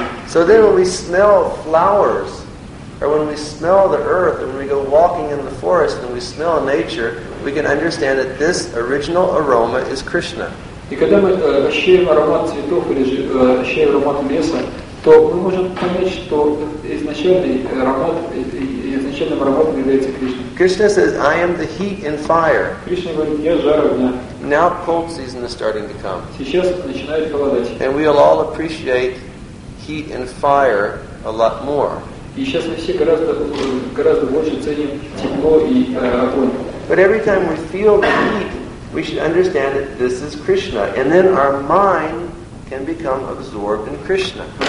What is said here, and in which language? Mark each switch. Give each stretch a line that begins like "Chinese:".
English: So then when we smell flowers, or when we smell the earth, or when we go walking in the forest and we smell nature, we can understand that this original aroma is Krishna.
Russian: И когда мы ощущаем аромат цветов или же ощущаем аромат леса, то мы можем понять, что изначальным ароматом является Кришна.
English: Krishna says, I am the heat and fire.
Russian: Кришна говорит, я жар огня.
English: Now cold season is starting to come.
Russian: Сейчас начинает холодать.
English: And we will all appreciate heat and fire a lot more.
Russian: И сейчас мы все гораздо больше ценим тепло и огонь.
English: But every time we feel the heat, we should understand that this is Krishna. And then our mind can become absorbed in Krishna.